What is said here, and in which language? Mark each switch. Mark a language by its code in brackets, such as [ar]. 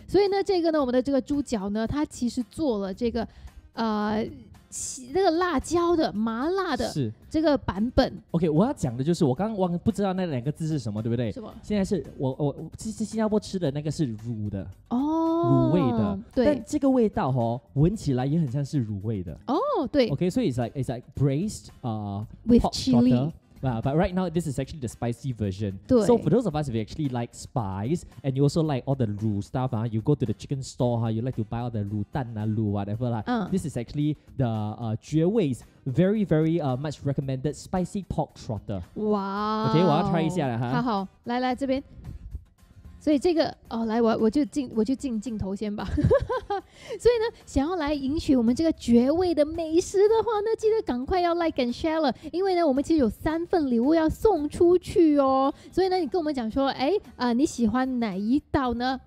[zh] 所以呢，这个呢，我们的这个猪脚呢，它其实做了这个，那个辣椒的麻辣的这个版本。 OK， 我要讲的就是我刚刚不知道那两个字是什么，对不对？什么？现在是我其实新加坡吃的那个是卤的哦，卤味的。对，但这个味道哦，闻起来也很像是卤味的哦。对。 [en] OK， 所以 it's like braised with chili。 But right now, this is actually the spicy version. [zh] 对。 [en] So for those of us, if you actually like spice, and you also like all the 卤 stuff, you go to the chicken store, you like to buy all the 卤蛋啊、卤 whatever, this is actually the 绝味's very, very much recommended spicy pork trotter. Wow. [zh] Okay, 我要 try 一下了。好好，来来这边。所以这个哦，来我就进镜头先吧。所以呢，想要来赢取我们这个绝味的美食的话呢，记得赶快要 like and share 了，因为呢，我们其实有三份礼物要送出去哦。所以呢，你跟我们讲说，哎啊、你喜欢哪一道呢？